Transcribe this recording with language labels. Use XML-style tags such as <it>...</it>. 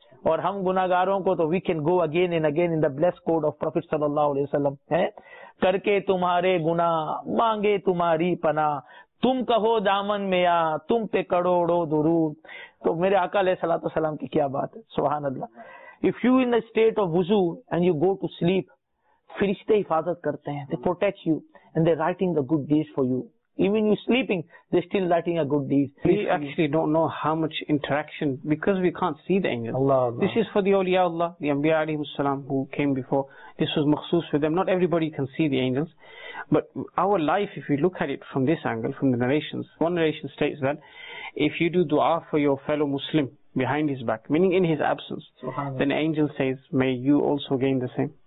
<ur>اور ہم گناہ گاروں کو تو</ur> <en>we can go again and again in the blessed code of prophet</en> <ur>صلی اللہ علیہ وسلم، کر کے تمہارے گناہ مانگے تمہاری پناہ، تم کہو دامن میں یا تم پہ کروڑو درود. تو میرے آقا علیہ الصلوۃ والسلام کی کیا بات ہے، سبحان اللہ.</ur> <en>if you in the state of وضو and you go to sleep,</en> <ur>فرشتے حفاظت کرتے ہیں،</ur> <en>They protect you and they writing the good deeds for you. Even you sleeping, they're still writing a good deed. We actually don't know how much interaction, because we can't see the angels. Allah, Allah. This is for the awliya Allah, the Anbiya alayhim salam who came before. This was makhsus for them. Not everybody can see the angels. But our life, if we look at it from this angle, from the narrations, one narration states that if you do dua for your fellow Muslim behind his back, meaning in his absence, then angel says, may you also gain the same.</en>